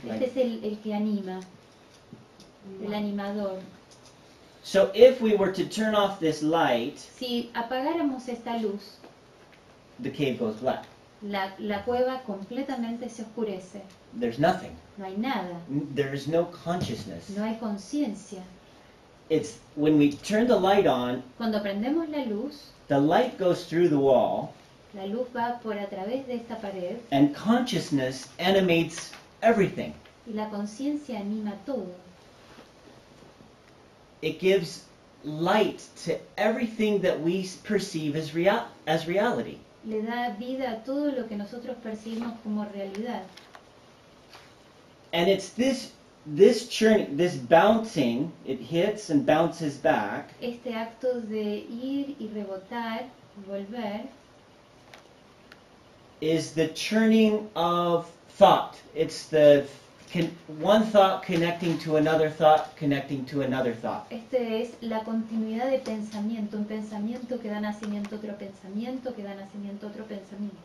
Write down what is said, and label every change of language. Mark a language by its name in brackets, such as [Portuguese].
[Spanish] Este like, es el que anima, el animador. [English] So if we were to turn off this light, [Spanish] si apagáramos esta luz, [English] the cave goes black. [Spanish] La cueva completamente se oscurece. [English] There's nothing. [Spanish] No hay nada. [English] There is no consciousness. [Spanish] No hay conciencia. [English] It's when we turn the light on. [Spanish] Cuando prendemos la luz, [English] the light goes through the wall. [Spanish] La luz va por a través de esta pared. [English] And consciousness animates everything. [Spanish] Y la conciencia anima todo. [English] It gives light to everything that we perceive as reality. [Spanish] Le da vida a todo lo que nosotros percibimos como realidad. [English] And it's this churning, this bouncing, it hits and bounces back. [Spanish] Este acto de ir y rebotar, volver, [English] is the churning of thought. It's the one thought connecting to another thought connecting to another thought. [Spanish] Este es la continuidad de pensamiento, un pensamiento que da nacimiento a otro pensamiento, que da nacimiento a otro pensamiento.